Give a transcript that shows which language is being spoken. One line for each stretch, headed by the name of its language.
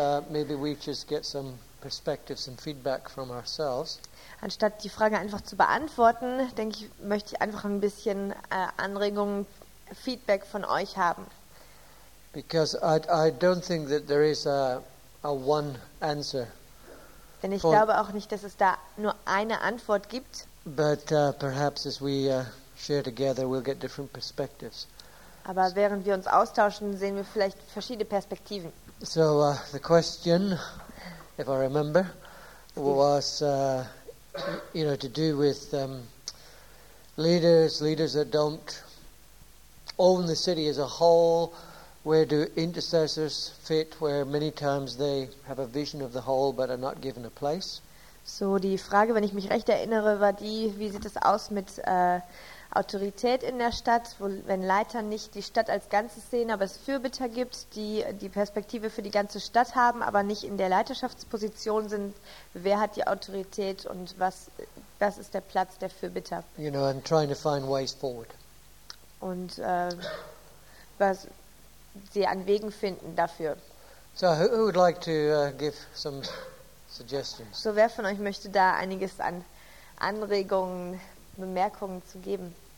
English: Maybe we just get some perspectives and feedback from ourselves.
German: Anstatt die Frage einfach zu beantworten, denke ich, möchte ich einfach ein bisschen Anregungen, Feedback von euch haben.
English: Because I don't think that there is a one answer.
German: Denn ich glaube auch nicht, dass es da nur eine Antwort gibt.
English: But perhaps as we share together, we'll get different perspectives.
German: Aber während wir uns austauschen, sehen wir vielleicht verschiedene Perspektiven.
English: So the question, if I remember, was to do with leaders that don't own the city as a whole. Where do intercessors fit? Where many times they have a vision of the whole, but are not given a place.
German: So die Frage, wenn ich mich recht erinnere, war die: Wie sieht es aus mit Autorität in der Stadt, wo, wenn Leiter nicht die Stadt als Ganzes sehen, aber es Fürbitter gibt, die die Perspektive für die ganze Stadt haben, aber nicht in der Leiterschaftsposition sind? Wer hat die Autorität und was ist der Platz der Fürbitter?
English: You know, I'm trying to find ways forward.
German: Und was sie an Wegen finden dafür.
English: So, who would like to give some suggestions?
German: So, wer von euch möchte da einiges an Anregungen, Bemerkungen zu geben?